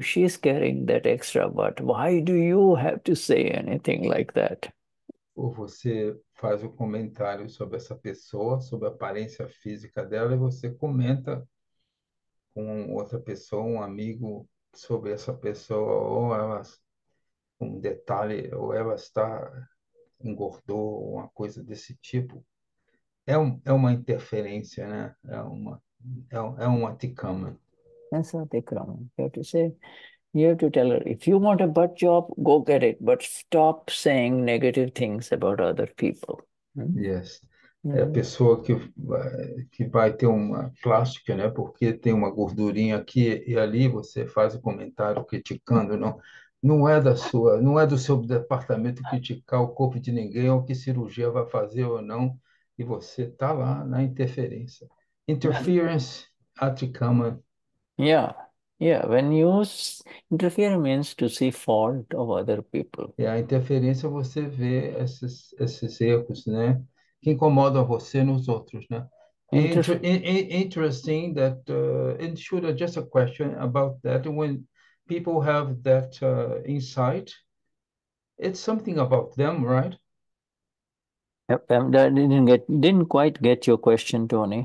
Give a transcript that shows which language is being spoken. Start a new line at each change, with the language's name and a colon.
English: She's carrying that extra butt. Why do you have to say anything like that?
Portuguese: Ou você faz um comentário sobre essa pessoa, sobre a aparência física dela, e você comenta com outra pessoa, um amigo, sobre essa pessoa, ou ela, um detalhe, ou ela está, engordou, uma coisa desse tipo. É uma interferência, né? É uma tikama.
English: That's a tikram. You have to say, you have to tell her, if you want a butt job, go get it, but stop saying negative things about other people. Yes.
Portuguese: É a pessoa que vai ter uma plástica, né? Porque tem uma gordurinha aqui e ali, você faz o comentário criticando, não, não é da sua, não é do seu departamento criticar o corpo de ninguém ou que cirurgia vai fazer ou não, e você está lá na interferência.
English: Interference, atikama. Yeah, yeah. When you interfere means to see fault of other people.
Portuguese: E a interferência, você vê esses erros, né? Que incomoda você nos outros, né?
English: Interesting that, and Shuddha, just a question about that. When people have that insight, it's something about them, right? Yep, didn't quite get your question, Tony.